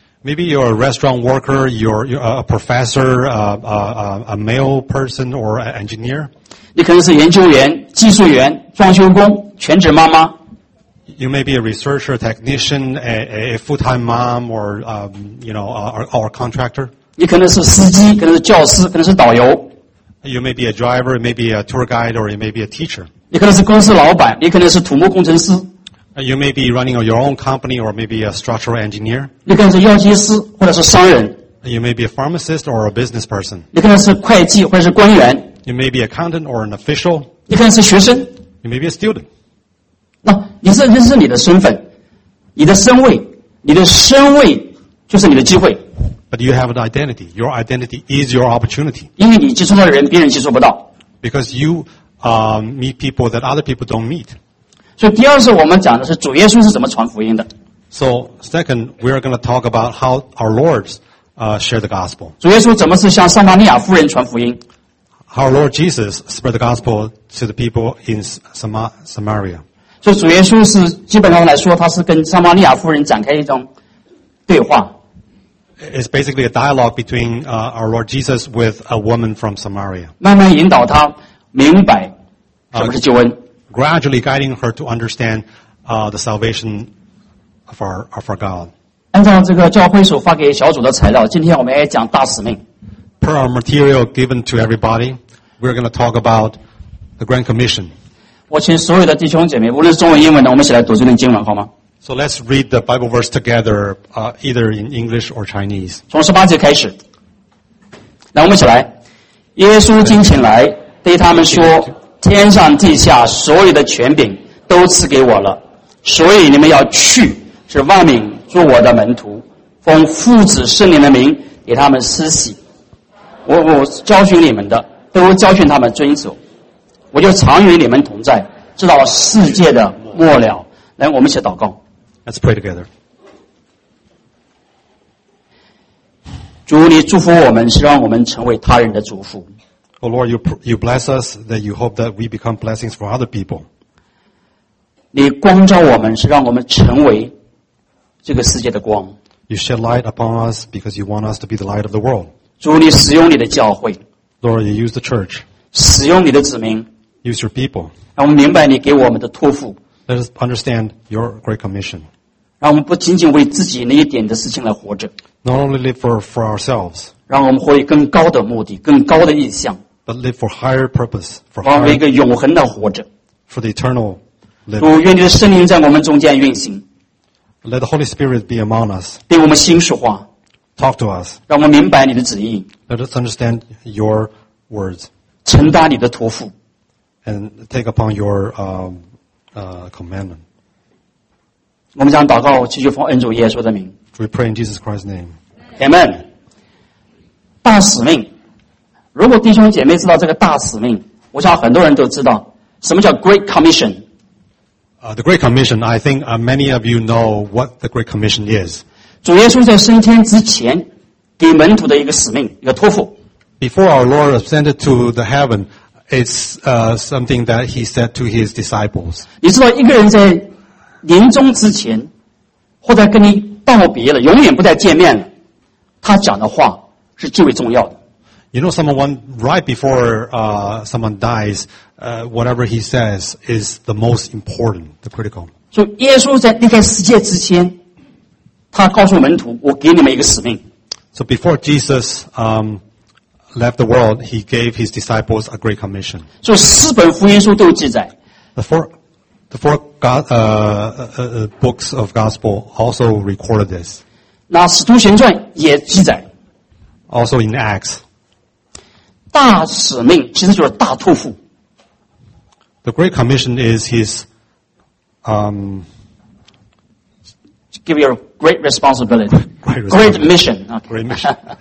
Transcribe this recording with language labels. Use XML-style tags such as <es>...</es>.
<en>Maybe you're a restaurant worker, you're a professor, a mail person, or an engineer.</en> <zh>你可能是研究员、技术员、装修工、全职妈妈。</zh> <en>You may be a researcher, technician, a full-time mom, or or contractor.</en> <zh>你可能是司机，可能是教师，可能是导游。</zh> <en>You may be a driver, maybe a tour guide, or you may be a teacher.</en> <zh>你可能是公司老板，你可能是土木工程师。</zh> <en>You may be running your own company or maybe a structural engineer.</en> <zh>你可能是药剂师或者是商人。</zh> <en>You may be a pharmacist or a business person.</en> <zh>你可能是会计或者是官员。</zh> <en>You may be an accountant or an official.</en> <zh>你可能是学生。</zh> <en>You may be a student.</en> <zh>那你是认识你的身份，你的身位，你的身位就是你的机会。</zh> <en>But you have an identity. Your identity is your opportunity.</en> <zh>因为你接触到的人，别人接触不到。</zh> <en>Because you meet people that other people don't meet.</en> <zh>所以第二是我们讲的是主耶稣是怎么传福音的。</zh> <en>So second, we are going to talk about how our Lord shared the gospel.</en> <zh>主耶稣怎么是向撒玛利亚妇人传福音</zh> <en>？How our Lord Jesus spread the gospel to the people in Samaria.</en> <zh>所以主耶稣是基本上来说，他是跟撒玛利亚妇人展开一种对话。</zh> <en>It's basically a dialogue between our Lord Jesus with a woman from Samaria.</en> <zh>慢慢引导他明白什么是救恩。</zh> <en>Gradually guiding her to understand the salvation of our God.</en> <zh>按照这个教会所发给小组的材料，今天我们也讲大使命。</zh> <en>Per our material given to everybody, we're going to talk about the Grand Commission.</en> <zh>我请所有的弟兄姐妹，无论是中文、英文的，我们一起来读这段经文好吗</zh> <en>？So let's read the Bible verse together, either in English or Chinese.</en> <zh>从十八节开始，来，我们一起来。耶稣进前来，对他们说。天上地下所有的权柄都赐给我了，所以你们要去，是万民做我的门徒，奉父子圣灵的名给他们施洗。我教训你们的，都教训他们遵守。我就常与你们同在，直到世界的末了。来，我们一起祷告。</zh> <en>Let's pray together.</en> <zh>主，你祝福我们，是让我们成为他人的祝福。</zh> <en>Oh Lord, you bless us that you hope that we become blessings for other people.</en> <zh>你光照我们是让我们成为这个世界的光。</zh> <en>You shed light upon us because you want us to be the light of the world.</en> <zh>主，你使用你的教会。</zh> <en>Lord, you use the church.</en> <zh>使用你的子民。</zh> <en>use your people.</en> <zh>让我们明白你给我们的托付。</zh> <en>Let us understand your great commission.</en> <zh>让我们不仅仅为自己那一点的事情来活着。</zh> <en>Not only live for ourselves.</en> <zh>让我们活于更高的目的，更高的意向。</zh> <en>But live for higher purpose.</en> <zh>让我们一个永恒的活着。</zh> <en>For the eternal living.</en> <zh>主，愿你的圣灵在我们中间运行。</zh> <en>Let the Holy Spirit be among us.</en> <zh>对我们心说话。</zh> <en>Talk to us.</en> <zh>让我们明白你的旨意。</zh> <en>Let us understand your words.</en> <zh>承担你的托付。</zh> <en>And take upon your commandment.</en> <zh>我们将祷告，祈求奉恩主耶稣的名。</zh> <en>We pray in Jesus Christ's name.</en> <zh>Amen. 大使命。如果弟兄姐妹知道这个大使命，我想很多人都知道什么叫 Great Commission。</zh> <en>The Great Commission, I think many of you know what the Great Commission is.</en> <zh>主耶稣在升天之前给门徒的一个使命，一个托付。</zh> <en>Before our Lord ascended to the heaven, it's something that he said to his disciples.</en> <zh>你知道一个人在临终之前或者跟你道别了，永远不再见面了，他讲的话是最为重要的。</zh> <en>You know, someone right before someone dies, whatever he says is the most important, the critical.</en> <zh>So, 耶稣在离开世界之前，他告诉门徒：“我给你们一个使命。”</zh> <en>So, before Jesus left the world, he gave his disciples a great commission.</en> <zh>So, 四本福音书都有记载。</zh> <en>The four books of gospel also recorded this.</en> <zh>那使徒行传也记载。</zh> <en>Also in Acts.</en> <zh>大使命其实就是大托付。</zh> <en>The Great Commission is his, give you a great responsibility. Great mission. Great mission.</en>